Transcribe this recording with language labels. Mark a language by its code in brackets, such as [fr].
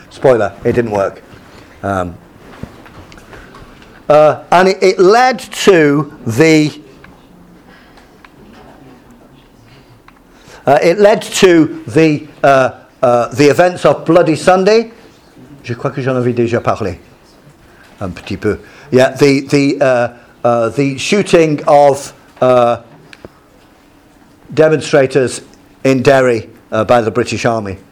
[en] Spoiler, it didn't work. And it led to the the events of Bloody Sunday. [fr] Je crois que j'en avais déjà parlé un petit peu. [en] Yeah, the shooting of demonstrators in Derry by the British Army.